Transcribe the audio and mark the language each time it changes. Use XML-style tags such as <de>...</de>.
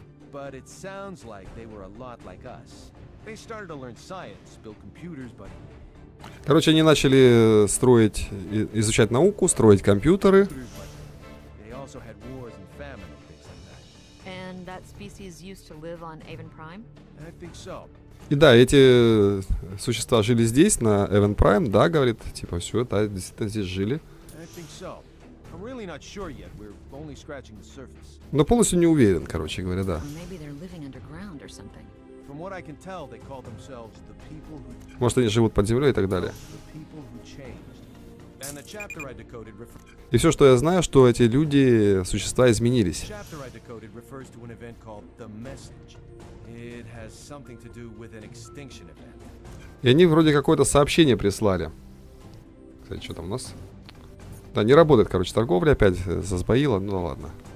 <en>But it sounds like they were a lot like us. They started to learn science, build computers, but...</en> <ru>Короче, они начали строить, изучать науку, строить компьютеры.</ru> <en>They also had wars and famine and things like that. And that species used to live on Avon Prime? I think so.</en> <ru>И да, эти существа жили здесь, на Avon Prime, да, говорит, типа, все, да, действительно здесь жили.</ru> <en>I think so. I'm really not sure yet. We're only scratching the surface.</en> <ru>Но полностью не уверен, короче говоря, да.</ru> <en>Maybe they're living underground or something. From what I can tell, they call themselves the people who...</en> <ru>Может, они живут под землей и так далее.</ru> <en>The people who changed. And the chapter I decoded refer...</en> <ru>И все, что я знаю, что эти люди, существа, изменились.</ru> <en>Chapter I decoded refers to an event called the message. It has something to do with an extinction event.</en> <ru>И они вроде какое-то сообщение прислали. Кстати, что там у нас? Да, не работает, короче, торговля опять засбоила, ну ладно.</ru>